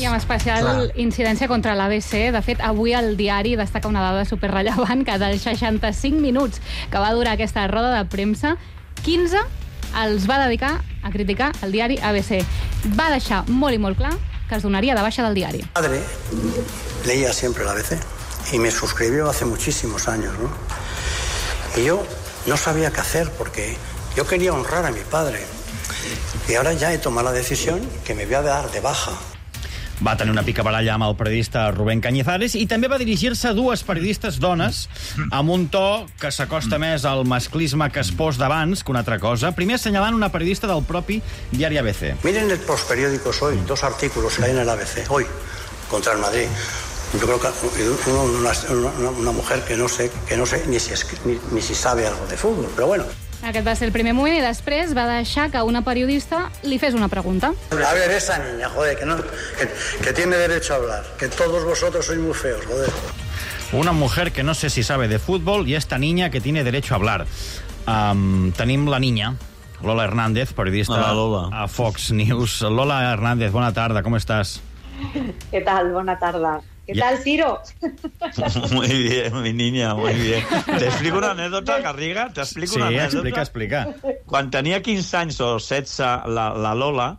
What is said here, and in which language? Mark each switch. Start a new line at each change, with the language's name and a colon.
Catalan: I amb especial incidència contra l'ABC. De fet, avui el diari destaca una dada superrellevant, que dels 65 minuts que va durar aquesta roda de premsa, 15 els va dedicar a criticar el diari ABC. Va deixar molt i molt clar que es donaria de baixa del diari.
Spanish: Mi madre leía siempre l'ABC y me suscribió hace muchísimos años, ¿no? Y yo no sabía qué hacer porque yo quería honrar a mi padre. Y ahora ya he tomado la decisión que me voy a dar de baja.
Catalan: Va tenir una pica baralla amb el periodista Rubén Cañizares i també va dirigir-se a dues periodistes dones amb un to que s'acosta més al masclisme que es pos d'abans que una altra cosa. Primer assenyalant una periodista del propi diari ABC.
Spanish: Miren el postperiódico hoy, dos artículos que hay en el ABC, hoy, contra el Madrid. Yo creo que una mujer que no sé ni si sabe algo de fútbol, pero bueno.
Catalan: Aquest va ser el primer moment i després va deixar que una periodista li fes una pregunta.
Spanish: A ver, esa niña, joder, que tiene derecho a hablar, que todos vosotros sois muy feos, joder. Una mujer que no sé si sabe de fútbol y esta niña que tiene derecho a hablar.
Catalan: Tenim la niña, Lola Hernández, periodista a Fox News. Lola Hernández, bona tarda, com estàs?
Spanish: ¿Qué tal?
Catalan: Bona tarda.
Spanish: ¿Qué tal, Ciro? Muy bien, mi niña, muy bien. ¿Te explico una anécdota, Garriga?
Catalan: Explica. Quan tenia 15 anys o 16, la Lola...